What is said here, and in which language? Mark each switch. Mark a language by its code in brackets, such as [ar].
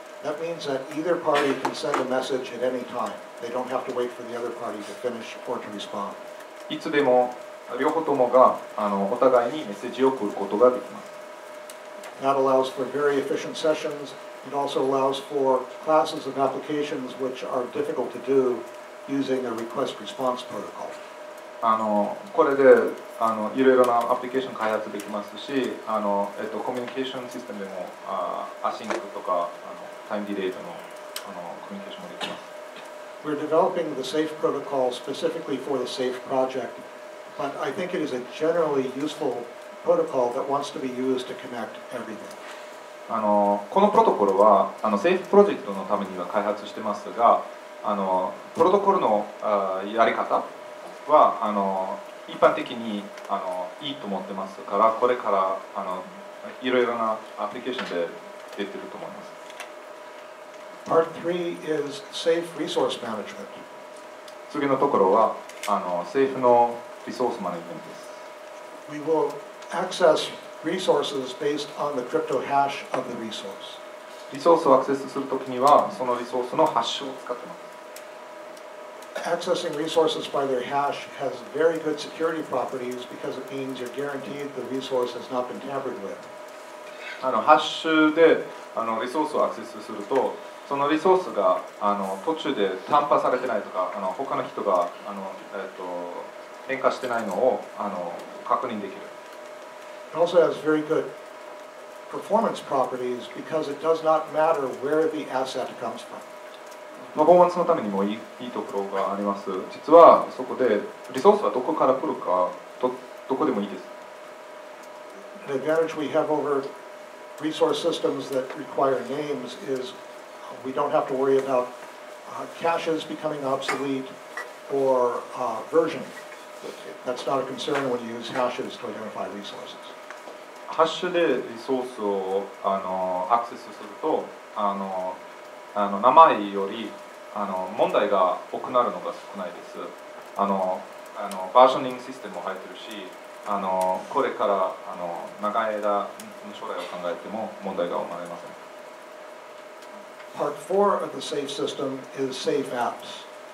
[en] That means that either party can send a message at any time. They don't have to wait for the other party to finish or to respond. [ja] いつでも両方ともがあのお互いにメッセージを送ることができます。 [en] That allows for very efficient sessions. It also allows for classes of applications which are difficult to do using a request response protocol. [ja] あのこれであのいろいろなアプリケーション開発できますし、あのコミュニケーションシステムでもアシンクとかあのタイムディレイとの、あの、コミュニケーションもできます。 [en] We're developing the Seif protocol specifically for the Seif project, but I think it is a generally useful protocol that wants to be used to connect everything. [ja] あの、このプロトコルは、あの、Seif project のためには開発してますが、あの、プロトコルの、やり方は、あの、一般的に、あの、いいと思ってますから、これから、あの、いろいろなアプリケーションで出てると思います。 [en] Part 3 is safe resource management. [ja] 次のところは、あの、政府のリソースマネジメントです。 [en] We will access resources based on the crypto hash of the resource. [ja] リソースをアクセスするときには、そのリソースのハッシュを使ってます。 [en] Accessing resources by their hash has very good security properties because it means you're guaranteed the resource has not been tampered with. [ja] あの、ハッシュで、あの、リソースをアクセスすると、そのリソースがあの途中で担保されてないとか、あの他の人があの、変化してないのをあの確認できる。 [en] It also has very good performance properties because it does not matter where the asset comes from. [ja] パフォーマンスのためにもいいところがあります。実はそこでリソースはどこから来るか、どこでもいいです。 [en] The advantage we have over resource systems that require names is we don't have to worry about caches becoming obsolete or version. That's not a concern when you use hashes to identify resources. [ja] ハッシュでリソースをアクセスすると名前より問題が多くなるのが少ないです。バージョニングシステムも入ってるし、これから長い間将来を考えても問題が生まれません。 [en] Part 4 of the safe system is safe apps.